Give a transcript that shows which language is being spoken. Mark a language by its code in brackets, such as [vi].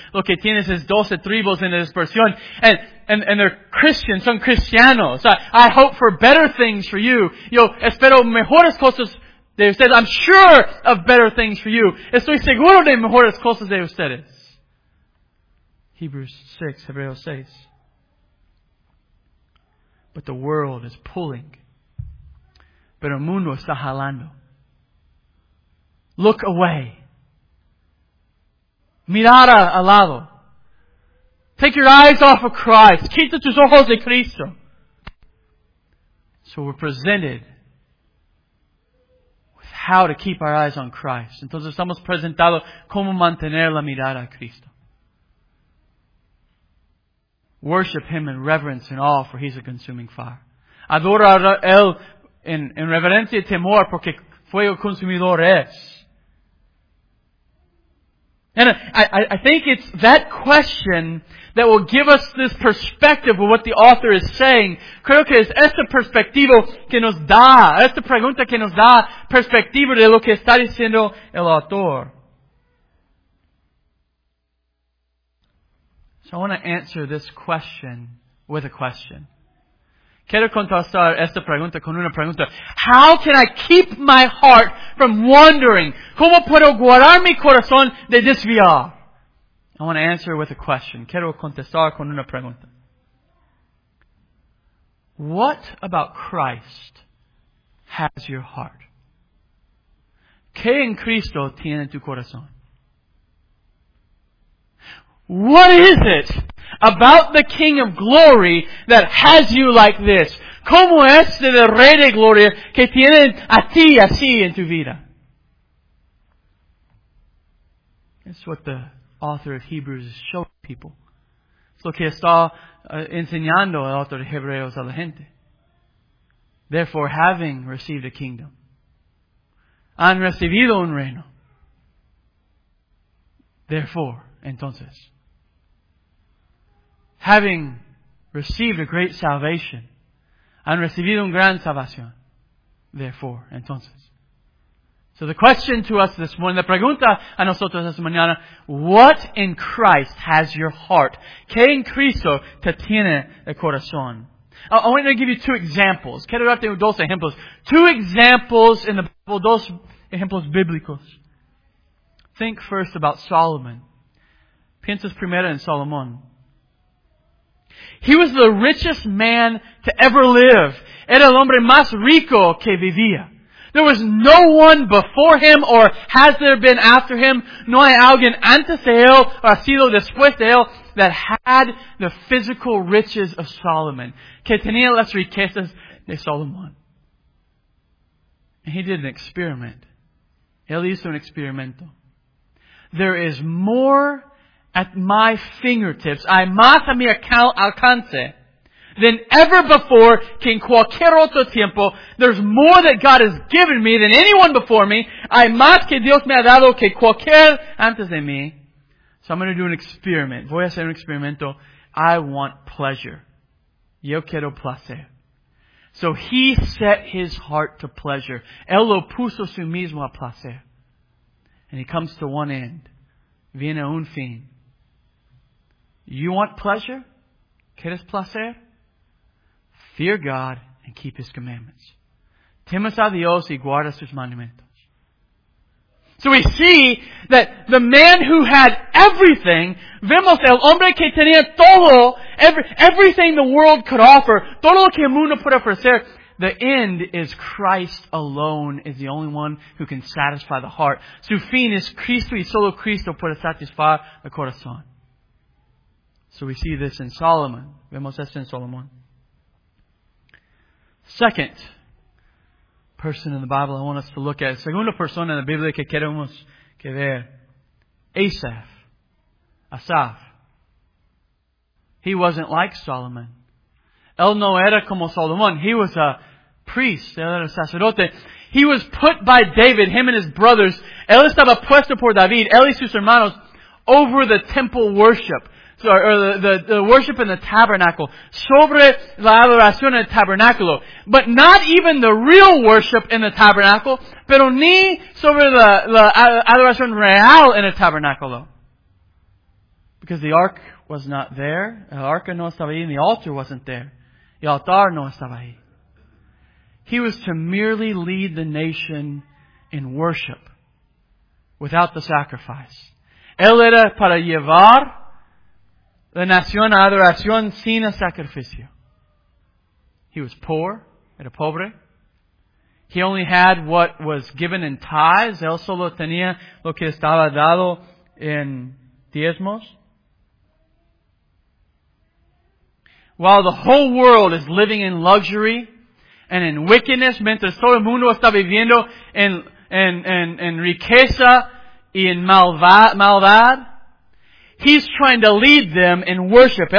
[es] Lo que tienes es 12 tribus en la dispersión. [en] And they're Christians, [es] son cristianos. [en] I hope for better things for you. [es] Yo espero mejores cosas de ustedes. [en] I'm sure of better things for you. [es] Estoy seguro de mejores cosas de ustedes. Hebreos 6. [en] But the world is pulling. [es] Pero el mundo está jalando. [en] Look away. [es] Mirar al lado. [en] Take your eyes off of Christ. [es] Quita tus ojos de Cristo. [en] So we're presented with how to keep our eyes on Christ. [es] Entonces estamos presentados cómo mantener la mirada a Cristo. [en] Worship Him in reverence and awe, for He's a consuming fire. [es] Adora a Él en reverencia y temor, porque fuego consumidor es. [en] And I think it's that question that will give us this perspective of what the author is saying. [es] Creo que es esta perspectiva que nos da, esta pregunta que nos da perspectiva de lo que está diciendo el autor. [en] So I want to answer this question with a question. [es] Quiero contestar esta pregunta con una pregunta. [en] How can I keep my heart from wandering? [es] ¿Cómo puedo guardar mi corazón de desviar? [en] I want to answer with a question. [es] Quiero contestar con una pregunta. [en] What about Christ has your heart? [es] ¿Qué en Cristo tiene tu corazón? [en] What is it about the King of Glory that has you like this? [es] ¿Cómo es el Rey de Gloria que tiene a ti así en tu vida? [en] That's what the author of Hebrews is showing people. [es] Es lo que está enseñando el autor de Hebreos a la gente. [en] Therefore, having received a kingdom, [es] han recibido un reino. [en] Therefore, entonces, having received a great salvation, [es] han recibido un gran salvación. [en] Therefore, entonces. So the question to us this morning, [es] la pregunta a nosotros esta mañana, [en] what in Christ has your heart? [es] ¿Qué en Cristo te tiene el corazón? [en] I want to give you two examples. [es] Quiero darte dos ejemplos. [en] Two examples in the Bible, [es] dos ejemplos bíblicos. [en] Think first about Solomon. [es] Piensas primero en Salomón. [en] He was the richest man to ever live. [es] Era el hombre más rico que vivía. [en] There was no one before him, or has there been after him. [es] No hay alguien antes de él, o ha sido después de él, [en] that had the physical riches of Solomon. [es] Que tenía las riquezas de Solomon. [en] And he did an experiment. [es] Él hizo un experimento. [en] There is more at my fingertips, [es] hay más a mi alcance, [en] than ever before, [es] que en cualquier otro tiempo. [en] There's more that God has given me than anyone before me. [es] Hay más que Dios me ha dado que cualquier antes de mí. [en] So I'm going to do an experiment. [es] Voy a hacer un experimento. [en] I want pleasure. [es] Yo quiero placer. [en] So he set his heart to pleasure. [es] Él lo puso su mismo a placer. [en] And he comes to one end. [es] Viene a un fin. [en] You want pleasure? [es] ¿Quieres placer? [en] Fear God and keep His commandments. [es] Temas a Dios y guarda sus mandamientos. [en] So we see that the man who had everything, [es] vemos el hombre que tenía todo, [en] everything the world could offer, [es] todo lo que el mundo puede ofrecer, [en] the end is Christ alone is the only one who can satisfy the heart. [es] Su fin es Cristo y solo Cristo puede satisfar el corazón. [en] So we see this in Solomon. [es] Vemos esto en Solomon. [en] Second person in the Bible I want us to look at. [es] Segunda persona en la Biblia que queremos que ver. [en] Asaph. Asaph. He wasn't like Solomon. [es] Él no era como Solomon. [en] He was a priest. [es] Él era sacerdote. [en] He was put by David, him and his brothers. [es] Él estaba puesto por David, él y sus hermanos, [en] over the temple worship. Or the worship in the tabernacle. [es] Sobre la adoración en el tabernáculo. [en] But not even the real worship in the tabernáculo. [es] Pero ni sobre la adoración real en el tabernáculo. [en] Because the ark was not there. [es] El arca no estaba ahí. [en] And the altar wasn't there. [es] El altar no estaba ahí. [en] He was to merely lead the nation in worship. Without the sacrifice. [es] Él era para llevar la nación a adoración sin el sacrificio. [en] He was poor. [es] Era pobre. [en] He only had what was given in tithes. [es] Él solo tenía lo que estaba dado en diezmos. [en] While the whole world is living in luxury and in wickedness, [es] mientras todo el mundo está viviendo en riqueza y en maldad, [en] he's trying to lead them in worship.